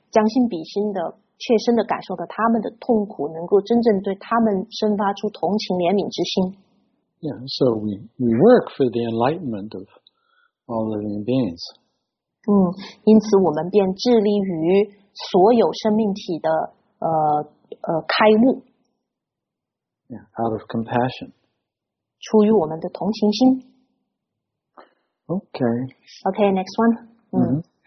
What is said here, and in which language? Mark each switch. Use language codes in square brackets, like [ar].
[zh] 将心比心的切身的感受到他们的痛苦，能够真正对他们生发出同情怜悯之心。 [en] So we work for the enlightenment of all living beings. [zh] 因此我们便致力于所有生命体的开悟。 [en] Out of compassion. [zh] 出于我们的同情心。 [en] Okay, next one.